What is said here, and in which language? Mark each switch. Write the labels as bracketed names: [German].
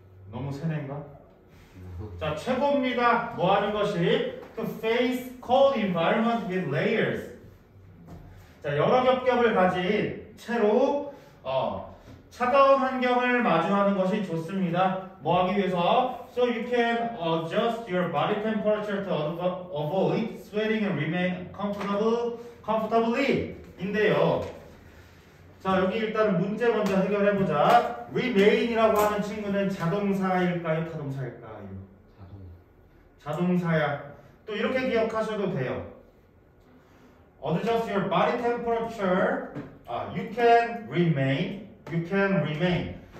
[Korean] 너무 세네인가? 자, 최고입니다. 뭐 하는 것이 [English] to face cold environment with layers. [Korean] 자, 여러 겹겹을 가진 채로 차가운 환경을 마주하는 것이 좋습니다. 뭐 하기 위해서? [English] So you can adjust your body temperature to avoid sweating and remain comfortably. [Korean] 인데요. 자, 여기 일단 문제 먼저 해결해보자. remain이라고 하는 친구는 자동사일까요? 타동사일까요? 자동. 자동사야. 또 이렇게 기억하셔도 돼요. [English] Adjust your body temperature. You can remain.